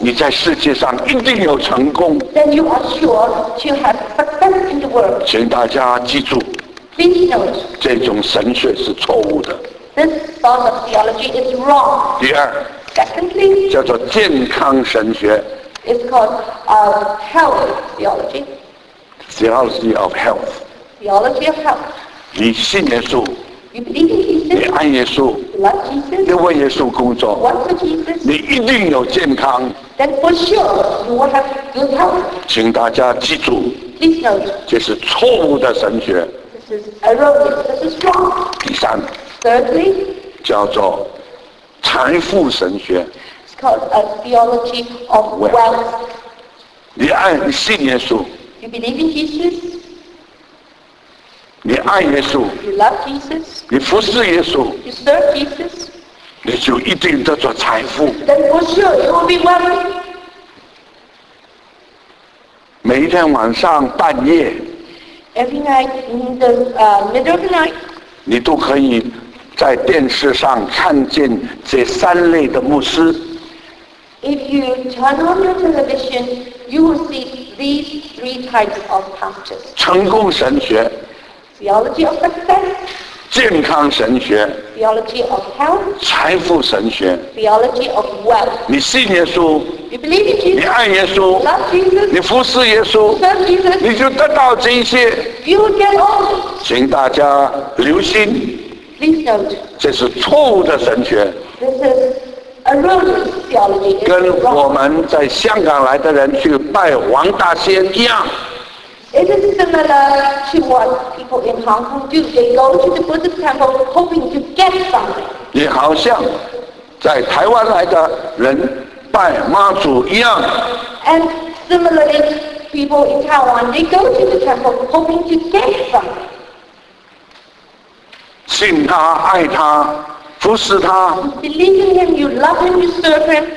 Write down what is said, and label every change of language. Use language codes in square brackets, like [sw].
[zh] 你在世界上一定有成功。 [en] Then you are sure to have success in the world. [zh] 请大家记住。 [en] Please note. [zh] 这种神学是错误的。 [en] This thought of theology is wrong. [zh] 第二。 [en] Secondly. [zh] 叫做健康神学。 [en] It's called health theology. Theology of health. Theology of health. [zh] 你信耶稣。 [en] You believe in Jesus? [zh] 你爱耶稣，你为耶稣工作，你一定有健康。 [en] Then for sure, you will have good health. [zh] 请大家记住， [en] Please note, [zh] 这是错误的神学。 [en] This is erroneous. This is wrong. [zh] 第三， [en] Thirdly, [zh] 叫做财富神学。 [en] It's called a theology of wealth. [zh] 你爱，你信耶稣。 [en] You believe in Jesus? [zh] 你爱耶稣， [en] you love Jesus, [zh] 你服侍耶稣， [en] you serve Jesus, [zh] 你就一定得着财富。 [en] Then for sure you will be wealthy. [zh] 每一天晚上半夜， [en] Every night in the middle of the night, [zh] 你都可以在电视上看见这三类的牧师。 [en] If you turn on your television, you will see these three types of pastors. [zh] 成功神学。 [en] Theology of success. [zh] 健康神学。 [en] Theology of health. [zh] 财富神学。 [en] Theology of wealth. [zh] 你信耶稣。 [en] You believe in Jesus. [zh] 你爱耶稣。 [en] You love Jesus. [zh] 你服侍耶稣。 [en] You serve Jesus. [zh] 你就得到这些。 [en] You will get all. [zh] 请大家留心。 [en] Please note. [zh] 这是错误的神学。 [en] This is erroneous theology. [zh] 跟我们在香港来的人去拜王大仙一样。 [en] It is similar to what people in Hong Kong do. They go to the Buddhist temple hoping to get something. [zh] 也好像在台湾来的人拜妈祖一样。 [en] And similarly, people in Taiwan, they go to the temple hoping to get something. [zh] 信他，爱他，服侍他。 [en] Believe in him, you love him, you serve him.